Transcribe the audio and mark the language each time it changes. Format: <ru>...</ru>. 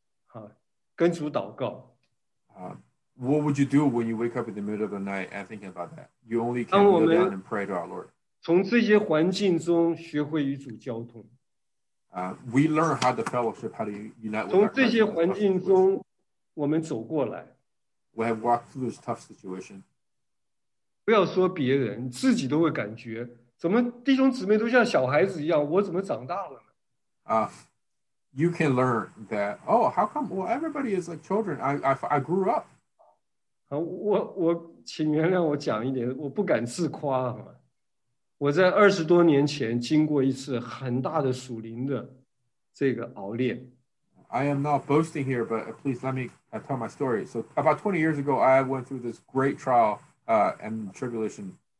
<zh>醒过来做什么？跪在主面前，好，跟主祷告。</zh> <en>What would you do when you wake up in the middle of the night and thinking about that? You only can kneel down and pray to our Lord.</en> <zh>从这些环境中学会与主交通。</zh> <en>We learn how to fellowship, how to unite with our Christ.</en> <zh>从这些环境中。我们走过来,</zh> <en>we have walked through this tough situation.</en> <zh>不要说别人, 自己都会感觉, 怎么弟兄姊妹都像小孩子一样, 我怎么长大了呢?</zh> <en>You can learn that, oh, how come? Well, everybody is like children. I grew up.</en> <zh>我请原谅我讲一点, 我不敢自夸, 我在20多年前 经过一次很大的属灵的这个熬炼。</zh> <en>I am not boasting here, but please let me tell my story. So about 20 years ago, I went through this great trial and tribulation.</en>